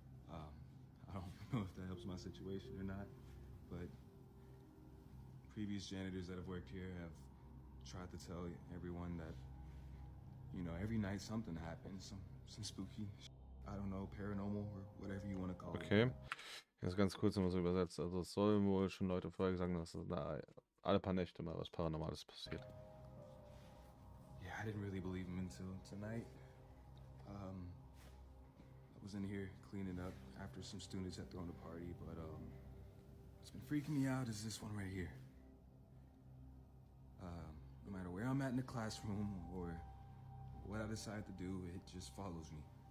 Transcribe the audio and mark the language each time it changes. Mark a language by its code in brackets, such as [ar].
[en] I don't know if that helps my situation or not, but previous janitors that have worked here have tried to tell everyone that, you know, every night something happens, some spooky, I don't know, paranormal or whatever you want to call okay. it. [de] Okay, jetzt ganz kurz nochmal so übersetzt. Also es sollen wohl schon Leute vorher gesagt haben, dass da alle paar Nächte mal was Paranormales passiert. [en] I didn't really believe him until tonight. I was in here cleaning up after some students had thrown a party, but what's been freaking me out is this one right here. No matter where I'm at in the classroom or what I decide to do, it just follows me.